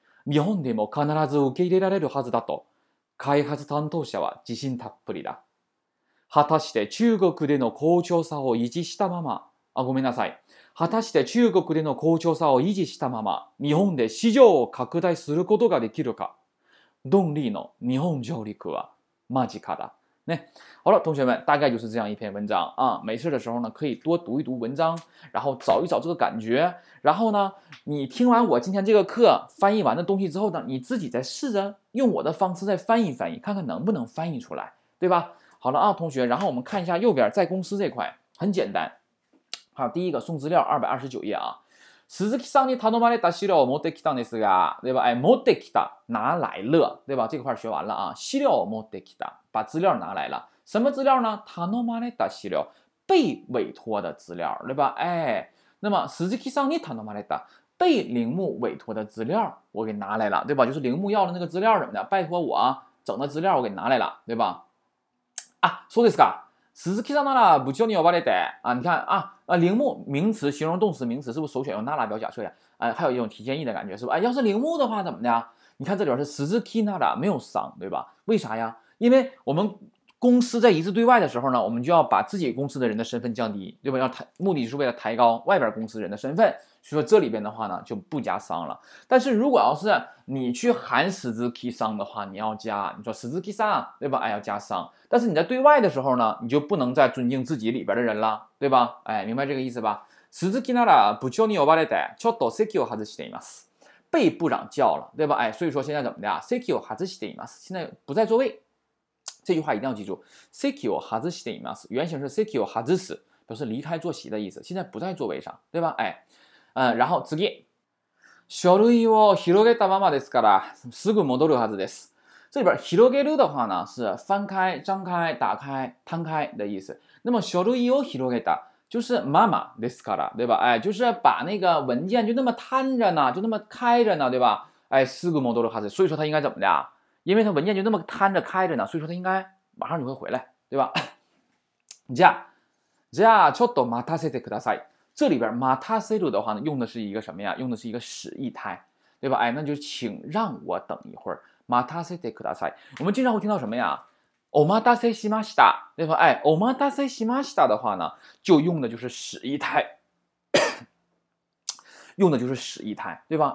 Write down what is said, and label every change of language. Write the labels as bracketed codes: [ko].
[ja] 日本でも必ず受け入れられるはずだと開発担当者は自信たっぷりだ。果たして中国での好調さを維持したまま、果たして中国での好調さを維持したまま日本で市場を拡大することができるか。ドンリーの日本上陸は間近だ。 [zh] ね、好了，同学们，大概就是这样一篇文章啊。没事的时候呢，可以多读一读文章，然后找一找这个感觉。然后呢，你听完我今天这个课翻译完的东西之后呢，你自己再试着用我的方式再翻译翻译，看看能不能翻译出来，对吧？好了啊，同学，然后我们看一下右边在公司这块，很简单。好，第一个送资料229页啊。 [ja] 鈴木さんに頼まれた資料を持ってきたんですが、 [zh] 对吧？哎， [ja] 持ってきた， [zh] 拿来了，对吧？这块学完了啊。 [ja] 資料を持ってきた， [zh] 把资料拿来了。什么资料呢？ [ja] 頼まれた資料， [zh] 被委托的资料，对吧？哎，那么 [ja] 鈴木さんに頼まれた， [zh] 被铃木委托的资料，我给拿来了，对吧？就是铃木要的那个资料什么的，拜托我整的资料，我给拿来了，对吧？ [ja] 啊，そうですか。鈴木さんなら部長に呼ばれて啊， [zh] 你看啊。啊，铃木名词，形容动词名词，是不是首选用那拉表假设呀？哎，还有一种提建议的感觉，是吧？哎，要是铃木的话怎么的呀？你看这里边是 Suzuki 那拉，没有桑，对吧？为啥呀？因为我们公司在一致对外的时候呢，我们就要把自己公司的人的身份降低，对吧？要抬，目的是为了抬高外边公司人的身份，所以说这里边的话呢就不加桑了。但是如果要是你去喊 Suzuki 桑的话，你要加，你说 Suzuki 桑，对吧？哎，要加桑。但是你在对外的时候呢，你就不能再尊敬自己里边的人了。对吧？哎，明白这个意思吧？ [ja] 鈴木なら部長に呼ばれて、ちょっと席を外しています。 [zh] 被部长叫了，对吧？哎，所以说现在怎么的啊？ [ja] 席を外しています。 [zh] 现在不在座位。这句话一定要记住， [ja] 席を外しています。 [zh] 原型是 [ja] 席を外す， [zh] 表示离开坐席的意思。现在不在座位上，对吧？哎，然后次。 [ja] 書類を広げたままですから、すぐ戻るはずです。 [zh] 这里边広げる的话呢，是翻开、张开、打开、摊开的意思。那么 [ja] 書類を広げた [zh] 就是 [ja] ままですから， [zh] 对吧？哎，就是把那个文件就那么摊着呢，就那么开着呢，对吧？哎， [ja] すぐ戻るはず。 [zh] 所以说他应该怎么的？因为他文件就那么摊着开着呢，所以说他应该马上就会回来，对吧？ [ja] じゃあちょっと待たせてください。 [zh] 这里边 [ja] 待たせる [zh] 的话呢，用的是一个什么呀？用的是一个使役态，对吧？哎，那就请让我等一会儿。 [ja] 待たせてください。 [zh] 我们经常会听到什么呀？ [ja] お待たせしました， [zh] 对吧？哎，お待たせしました的话呢，就用的就是使役态，用的就是使役态，对吧？